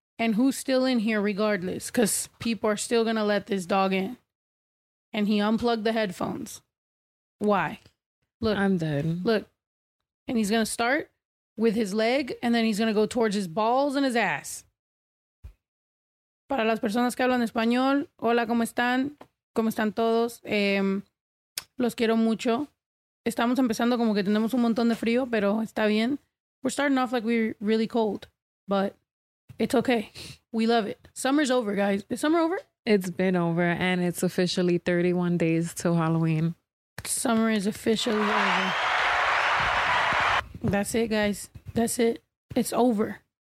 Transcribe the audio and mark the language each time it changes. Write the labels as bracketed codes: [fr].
[en] And who's still in here regardless? Because people are still going to let this dog in. And he unplugged the headphones. Why? Look. I'm dead. Look. And he's going to start with his leg and then he's going to go towards his balls and his ass. [es] Para las personas que hablan español, hola, ¿cómo están? ¿Cómo están todos? Los quiero mucho. Estamos empezando como que tenemos un montón de frío, pero está bien. [en] We're starting off like we're really cold, but it's okay. We love it. Summer's over, guys. Is summer over? It's been over, and it's officially 31 days till Halloween. Summer is officially over. That's it, guys. That's it. It's over.